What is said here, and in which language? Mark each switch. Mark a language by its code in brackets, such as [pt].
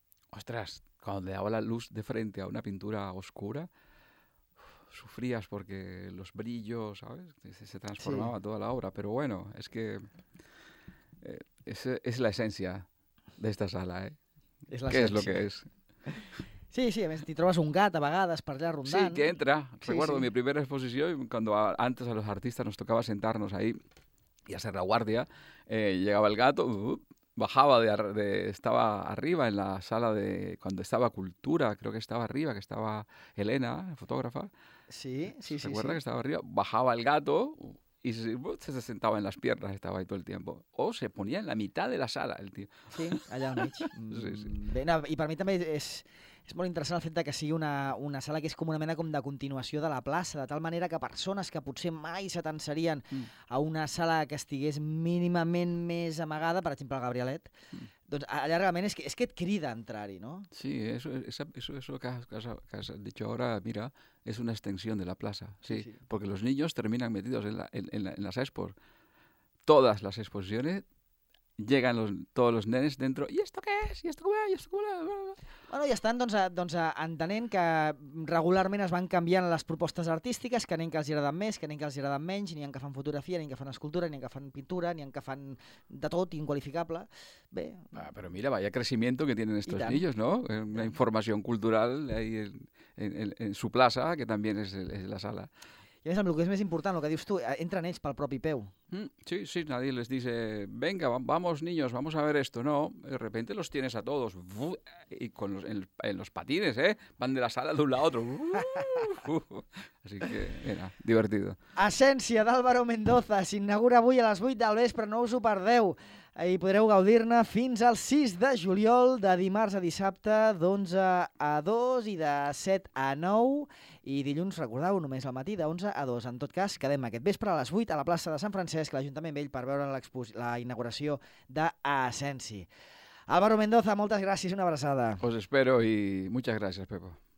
[es] ostras, cuando le daba la luz de frente a una pintura oscura, sufrías porque los brillos, ¿sabes? Se transformaba toda la obra. Pero bueno, es que es la esencia de esta sala, ¿eh? Es la ¿Qué esencia. Es lo que es? [ca] Sí, sí, a més t'hi trobes un gat a vegades per allà rondant. [es] Sí, que entra. Recuerdo mi primera exposició, cuando antes a los artistas nos tocaba sentarnos ahí y hacer la guardia, llegaba el gato, bajaba, estaba arriba en la sala de... Cuando estaba Cultura, creo que estaba arriba, que estaba Elena, fotógrafa. Sí, sí, sí. ¿Recuerda sí. que estaba arriba? Bajaba el gato y se sentaba en las piernas, estaba ahí todo el tiempo. O se ponía en la mitad de la sala el tío. [ca] Sí, allà al mig. Sí, sí. Bé, no, i per mi també és molt interessant el fet que sigui una sala que és com una mena com de continuació de la plaça, de tal manera que persones que potser mai s'atensarien a una sala que estigués mínimament més amagada, per exemple el Gabrielet, doncs allà realment és que et crida a entrar-hi, no? [es] Sí, eso que has dicho ahora, mira, es una extensión de la plaza, sí, porque los niños terminan metidos en las expos. Todas las exposiciones llegan todos los nenes dentro, ¿y esto qué es? ¿Y esto cómo es? ¿Y esto cómo es? [ca] Bueno, i estan doncs, entenent que regularment es van canviant les propostes artístiques, que n'hi ha que els agraden més, que n'hi ha que els agraden menys, n'hi ha que fan fotografia, n'hi ha que fan escultura, n'hi ha que fan pintura, n'hi ha que fan de tot, inqualificable. Bé. [es] Ah, però mira, vaya crecimiento que tienen estos niños, ¿no? [ca] Una informació cultural [es] ahí en su [ca] plaça, que també és la sala. I a més, el que és més important, el que dius tu, entren ells pel propi peu. [es] Sí, sí, nadie les dice, venga, vamos niños, vamos a ver esto, ¿no? De repente los tienes a todos, y con los patines, ¿eh? Van de la sala de un lado a otro. Así que, mira, divertido. [ca] Essència d'Álvaro Mendoza s'inaugura avui a les 8 del vespre, no us ho perdeu. I podreu gaudir-ne fins al 6 de juliol, de dimarts a dissabte, d'11 a 2 i de 7 a 9. I dilluns, recordeu, només al matí, d'11 a 2. En tot cas, quedem aquest vespre a les 8 a la plaça de Sant Francesc, l'Ajuntament Vell, per veure la inauguració d'Essenci. Álvaro Mendoza, moltes gràcies, una abraçada. [es] Os espero i muchas gracias, Pepo.